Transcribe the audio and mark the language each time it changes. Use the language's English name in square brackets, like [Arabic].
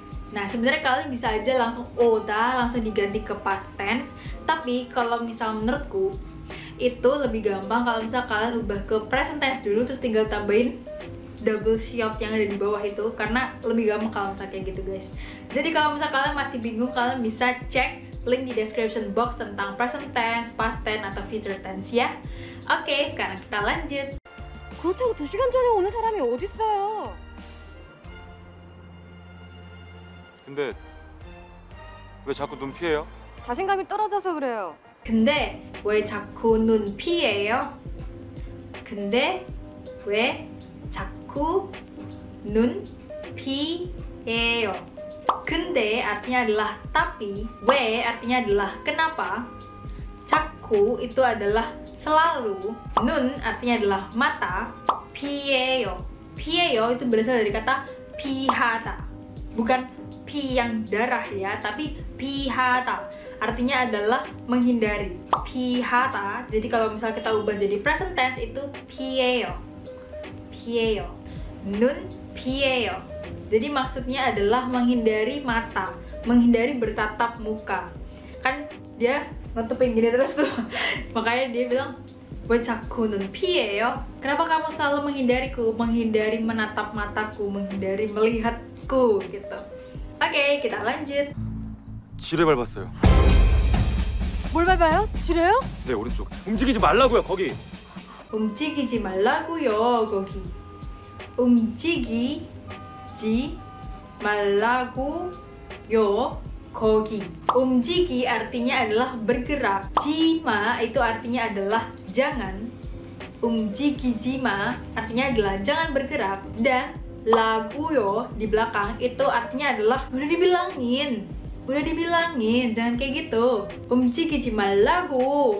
[Indonesian] Nah, sebenarnya kalian bisa aja langsung oda langsung diganti ke past tense, tapi kalau misal menurutku itu lebih gampang kalau misal kalian ubah ke present tense dulu, terus tinggal tambahin double sharp yang ada di bawah itu, karena lebih gampang kalau misal kayak gitu guys. Jadi kalau misal kalian masih bingung, kalian bisa cek link di description box tentang present tense, past tense, atau future tense ya. Oke, sekarang kita lanjut. [Korean] 그렇다고 2시간 전에 오는 사람이 어디 있어요? 근데 왜 자꾸 눈 피해요? 자신감이 떨어져서 그래요. 근데 왜 자꾸 눈 피해요? 근데 왜 자꾸 눈 피해요? [Indonesian] 근데 artinya adalah tapi, 왜 artinya adalah kenapa, 자꾸 itu adalah selalu, 눈 artinya adalah mata, 피해요. 피해요 itu berasal dari kata 피하다. [Korean] 뭔가 피 [Indonesian] yang darah ya, tapi 피하다 artinya adalah menghindari. 피하다. Jadi kalau misalnya kita ubah jadi present tense itu 피해요. 피해요. [Korean] 눈 피해요. [Indonesian] Jadi maksudnya adalah menghindari mata, menghindari bertatap muka. Kan dia nutupin gini terus tuh. Makanya dia bilang, [Korean] "왜 자꾸 눈 피해요?" [Indonesian] Kenapa kamu selalu menghindariku, menghindari menatap mataku, menghindari melihatku gitu. Oke, kita lanjut. [Korean] 지뢰 밟았어요. 뭘 밟아요? 지뢰요? 네, 오른쪽. 움직이지 말라고요, 거기. 움직이지 말라고요, 거기. 움직이지 말라고요, 거기. [Indonesian] 움직이 artinya adalah bergerak. 지마 itu artinya adalah jangan. 움직이지마 artinya adalah jangan bergerak. Dan 라고요 di belakang itu artinya adalah udah dibilangin. Udah dibilangin, jangan kayak gitu. [Korean] 움직이지 말라고.